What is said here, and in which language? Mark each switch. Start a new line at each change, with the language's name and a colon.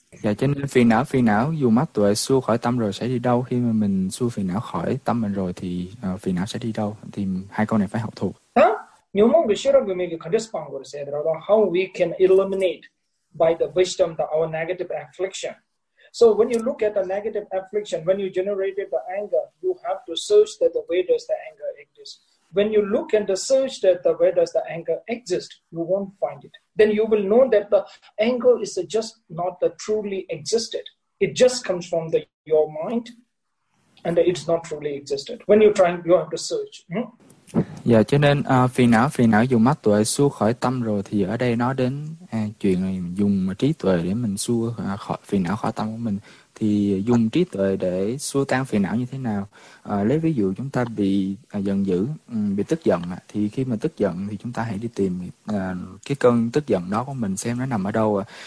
Vietnamese: Dạ, cho nên phiền não dù mắc tuệ xua khỏi tâm rồi sẽ đi đâu, khi mà mình xua phiền não khỏi tâm mình rồi thì phiền não sẽ đi đâu, thì hai câu này phải học thuộc. nhóm mong cái sự việc mình cái khả năng bằng say đó là
English: how we can eliminate by the wisdom the our negative affliction. So when you look at the negative affliction, when you generated the anger, you have to search that the where does the anger exist. when you look and search that the where does the anger exist, you won't find it. Then you will know that the anger is just not the truly existed. It just comes from the your mind, and it's not truly existed. When you're trying, you have to search. Hmm?
Vietnamese: Dạ, cho nên phiền não dùng mắt tuệ xua khỏi tâm rồi thì ở đây nói đến chuyện dùng trí tuệ để mình xua khỏi phiền não khỏi tâm của mình. Thì dùng trí tuệ để xua tan phiền não như thế nào? Lấy ví dụ chúng ta bị giận dữ, bị tức giận, thì khi mà tức giận thì chúng ta hãy đi tìm cái cơn tức giận đó của mình, xem nó nằm ở đâu.